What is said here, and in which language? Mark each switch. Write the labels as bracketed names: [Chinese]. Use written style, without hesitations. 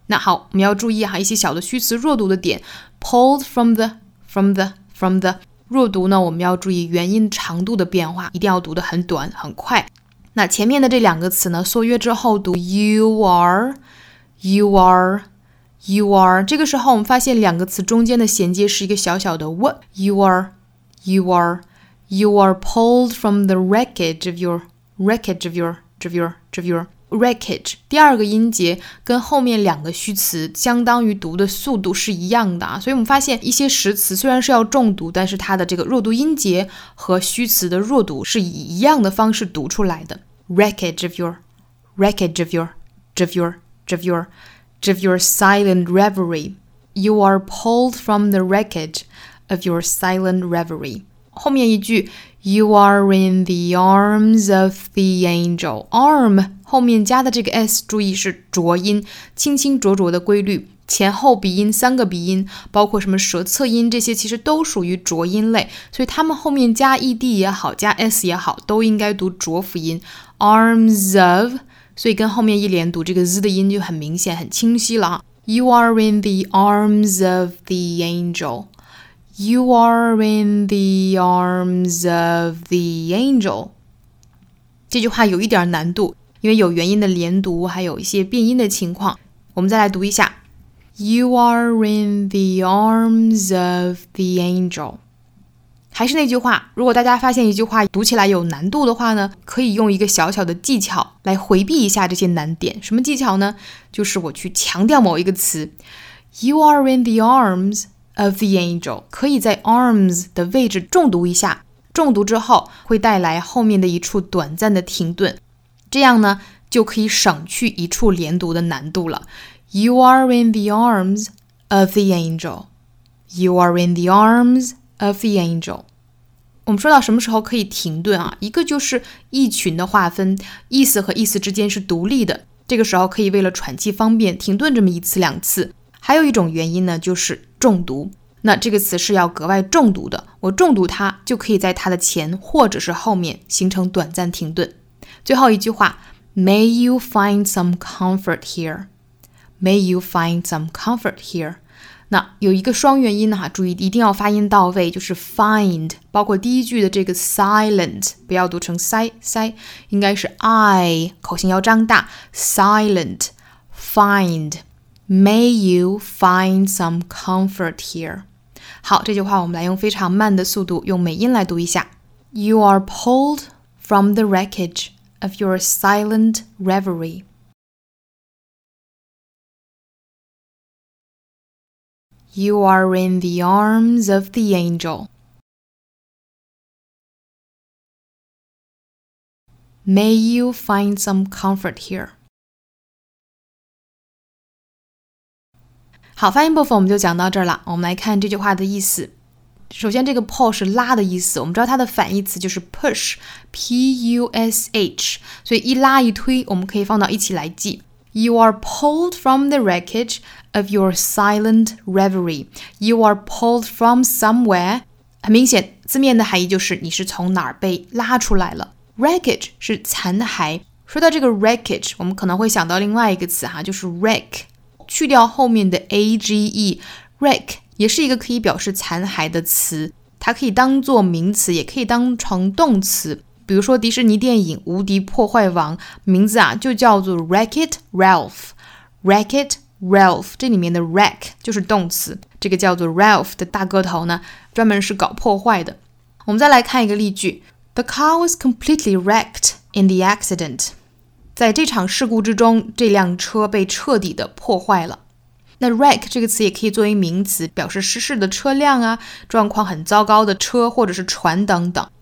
[Chinese] 那好，我们要注意哈一些小的虚词弱读的点 ， [English] pulled from the from the from the [Chinese] 弱读呢，我们要注意元音长度的变化，一定要读得很短很快。那前面的这两个词呢，缩约之后读 [English] you are you are you are。 [Chinese] 这个时候我们发现两个词中间的衔接是一个小小的 w， [English] you are you are。 You are pulled from the wreckage of your wreckage of your of your of your wreckage. [Chinese] 第二个音节跟后面两个虚词相当于读的速度是一样的啊，所以我们发现一些实词虽然是要重读，但是它的这个弱读音节和虚词的弱读是以一样的方式读出来的。 [English] Wreckage of your wreckage of your of your of your of your silent reverie. You are pulled from the wreckage of your silent reverie. 后面一句 You are in the arms of the angel. [Chinese] Arm 后面加的这个 S 注意是浊音，清清浊浊的规律，前后鼻音三个鼻音，包括什么舌侧音，这些其实都属于浊音类，所以他们后面加 ED 也好，加 S 也好，都应该读浊辅音 [English] arms of， [Chinese] 所以跟后面一连读这个 Z 的音就很明显很清晰了。 [English] You are in the arms of the angelYou are in the arms of the angel. [Chinese] 这句话有一点难度，因为有元音的连读，还有一些变音的情况。我们再来读一下。 [English] You are in the arms of the angel. [Chinese] 还是那句话，如果大家发现一句话读起来有难度的话呢，可以用一个小小的技巧来回避一下这些难点。什么技巧呢？就是我去强调某一个词。 [English] You are in the arms... of the angel， [Chinese] 可以在 arms 的位置重读一下，重读之后会带来后面的一处短暂的停顿，这样呢就可以省去一处连读的难度了。 [English] You are in the arms of the angel. You are in the arms of the angel. [Chinese] 我们说到什么时候可以停顿啊，一个就是意群的划分，意思和意思之间是独立的，这个时候可以为了喘气方便停顿这么一次两次。还有一种原因呢，就是重读，那这个词是要格外重读的，我重读它就可以在它的前或者是后面形成短暂停顿。 [English] 最后一句话 May you find some comfort here. May you find some comfort here. [Chinese] 那有一个双元音哈，注意一定要发音到位，就是 find， 包括第一句的这个 silent， 不要读成 sigh， 应该是 I， 口型要张大， silent， [English] findMay you find some comfort here. [Chinese] 好，这句话我们来用非常慢的速度用美音来读一下。 [English] You are pulled from the wreckage of your silent reverie. You are in the arms of the angel. May you find some comfort here. [Chinese] 好，发音部分我们就讲到这儿了。我们来看这句话的意思。首先这个 pull 是拉的意思，我们知道它的反义词就是 push, P-U-S-H, 所以一拉一推我们可以放到一起来记。 [English] You are pulled from the wreckage of your silent reverie. You are pulled from somewhere. [Chinese] 很明显，字面的含义就是你是从哪儿被拉出来了。 Wreckage 是残骸。说到这个 wreckage, 我们可能会想到另外一个词哈，就是 wreck。去掉后面的 A-G-E, wreck 也是一个可以表示残骸的词。它可以当作名词，也可以当成动词。比如说迪士尼电影《无敌破坏王》名字啊就叫做 Wreck-It Ralph, Wreck-It Ralph, 这里面的 wreck 就是动词，这个叫做 Ralph 的大个头呢专门是搞破坏的。我们再来看一个例句， [English] The car was completely wrecked in the accident. [Chinese] 在这场事故之中，这辆车被彻底的破坏了。那 wreck 这个词也可以作为名词，表示失事的车辆啊，状况很糟糕的车或者是船等等。